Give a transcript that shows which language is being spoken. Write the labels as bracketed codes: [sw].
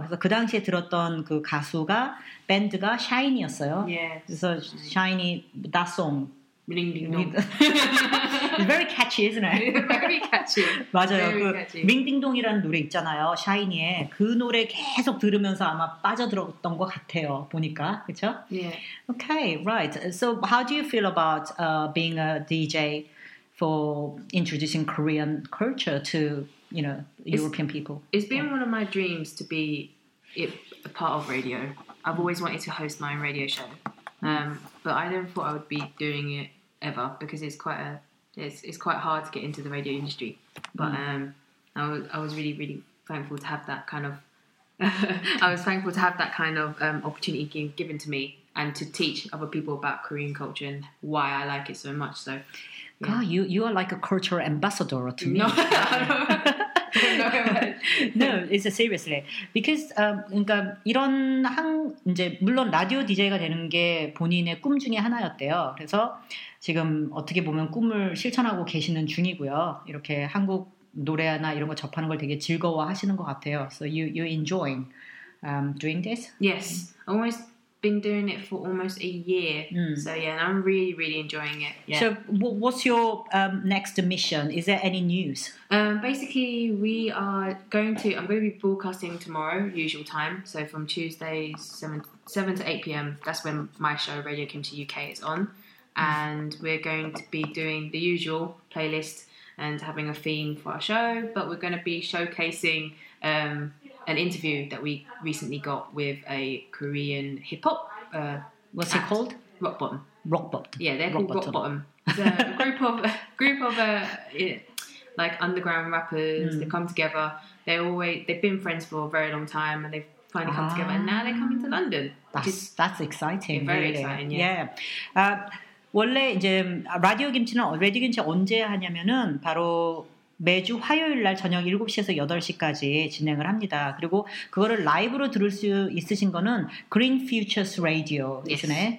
[ko] 그래서 그 당시에 들었던 그 가수가 밴드가 Shiny였어요. [en] Yeah. [ko] 그래서 [en] Shiny that song. Ring, ring, ring. Very catchy, isn't it? Very catchy. [ko] 맞아요. [en] Very [ko] 그 링딩동이라는 노래 있잖아요. 샤이니의 그 노래 계속 들으면서 아마 빠져들었던 것 같아요. 보니까 그렇죠? [en] Yeah. Okay, right. So, how do you feel about being a DJ for introducing Korean culture to you know European people? It's been one of my dreams to be a part of radio. I've always wanted to host my own radio show, but I never thought I would be doing it ever because it's quite It's quite hard to get into the radio industry, but I was really really thankful to have that kind of opportunity given to me and to teach other people about Korean culture and why I like it so much. So, yeah. God, you are like a cultural ambassador to me. No, I don't know. No, it's seriously because [ko] 그러니까 이런 한 이제 물론 라디오 DJ가 되는 게 본인의 꿈 중에 하나였대요. 그래서 지금 어떻게 보면 꿈을 실천하고 계시는 중이고요. 이렇게 한국 노래나 이런 거 접하는 걸 되게 즐거워하시는 것 같아요. [en] So you enjoying doing this? Yes, I've always been doing it for almost a year. So yeah, and I'm really really enjoying it. Yeah. So what's your next mission? Is there any news? Basically, we are going to. I'm going to be broadcasting tomorrow, usual time. So from Tuesday 7 to 8 p.m. That's when my show Radio Kimchi UK is on. And we're going to be doing the usual playlist and having a theme for our show, but we're going to be showcasing an interview that we recently got with a Korean hip-hop. What's it called? Rock Bottom. Rock Bottom. Yeah, they're called Rock Bottom. It's a group of underground rappers. They come together. They've been friends for a very long time, and they've finally come together, and now they're coming to London. That's exciting. Yeah, very really. Exciting, yeah. Yeah. [ko] 원래 이제 라디오 김치는 라디오 김치 언제 하냐면은 바로 매주 화요일 날 저녁 7시에서 8시까지 진행을 합니다. 그리고 그거를 라이브로 들을 수 있으신 거는 Green Futures Radio 이시네. [en] Yes,